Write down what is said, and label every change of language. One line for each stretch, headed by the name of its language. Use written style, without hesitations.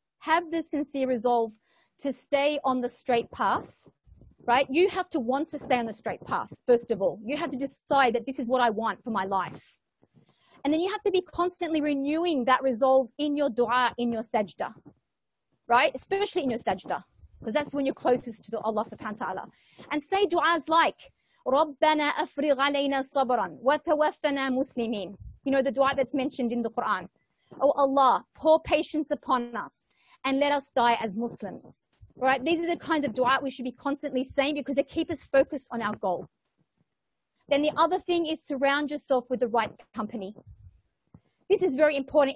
English: Have the sincere resolve to stay on the straight path, right? You have to want to stay on the straight path, first of all. You have to decide that this is what I want for my life. And then you have to be constantly renewing that resolve in your dua, in your sajda, right? Especially in your sajda, because that's when you're closest to Allah subhanahu wa ta'ala. And say du'as like,
Arabic: رَبَّنَا أَفْرِغْ عَلَيْنَا صَبْرًا وَتَوَفَّنَا مُسْلِمِينَ.
English: You know, the dua that's mentioned in the Quran. Oh Allah, pour patience upon us and let us die as Muslims. Right? These are the kinds of dua we should be constantly saying because they keep us focused on our goal. Then the other thing is surround yourself with the right company. This is very important.